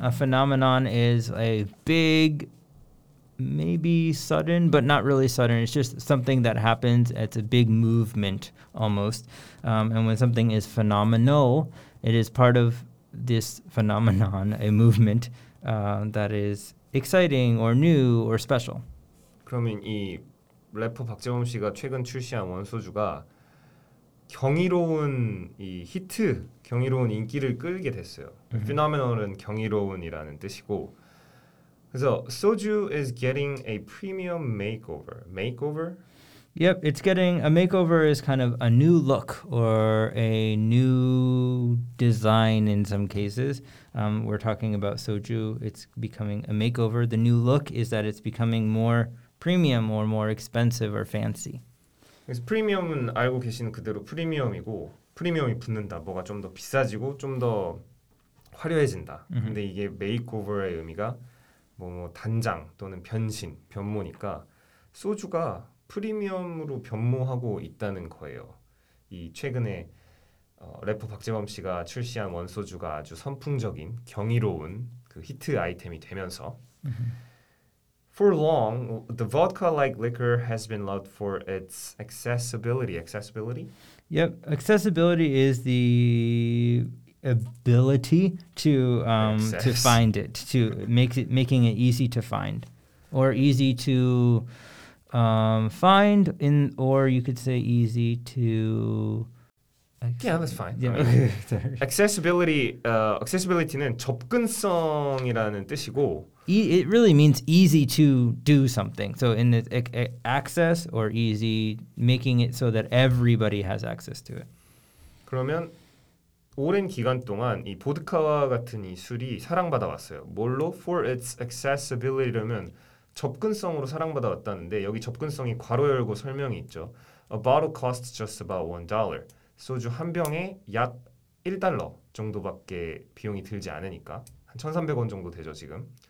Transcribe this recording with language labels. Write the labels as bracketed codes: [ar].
[en] A phenomenon is a big, maybe sudden, but not really sudden. It's just something that happens. It's a big movement almost. And when something is phenomenal, it is part of this phenomenon, a movement that is exciting or new or special. [ko] 그러면 이 래퍼 박재범 씨가 최근 출시한 원소주가 경이로운 이 히트, 경이로운 인기를 끌게 됐어요. [en] Mm-hmm. [ko] Phenomenal은 경이로운이라는 뜻이고. 그래서 [en] 소주 is getting a premium makeover. Makeover? Yep, it's getting a makeover is kind of a new look or a new design in some cases. We're talking about soju, it's becoming a makeover. The new look is that it's becoming more premium or more expensive or fancy. [ko] 그래서 프리미엄은 알고 계시는 그대로 프리미엄이고 프리미엄이 붙는다. 뭐가 좀 더 비싸지고 좀 더 화려해진다. Mm-hmm. 근데 이게 makeover의 의미가 뭐 단장 또는 변신, 변모니까 소주가 프리미엄으로 변모하고 있다는 거예요. 이 최근에 래퍼 박재범 씨가 출시한 원소주가 아주 선풍적인 경이로운 그 히트 아이템이 되면서 mm-hmm. [en] For long, the vodka-like liquor has been loved for its accessibility. Accessibility? Yep, accessibility is the ability to find it, to making it easy to find or easy to find in, or you could say easy to yeah, that's fine. Yeah. Right. Accessibility, accessibility는 [ko] 접근성이라는 뜻이고 [en] it really means easy to do something. So in the access or easy, making it so that everybody has access to it. [ko] 그러면 오랜 기간 동안 이 보드카와 같은 이 술이 사랑받아 왔어요. 뭘로? [en] For its accessibility [ko] 라면 접근성으로 사랑받아 왔다는데 여기 접근성이 괄호 열고 설명이 있죠. [en] A bottle costs just about $1. [ko] 소주 한 병에 약 $1 정도밖에 비용이 들지 않으니까 한 1,300원 정도 되죠, 지금.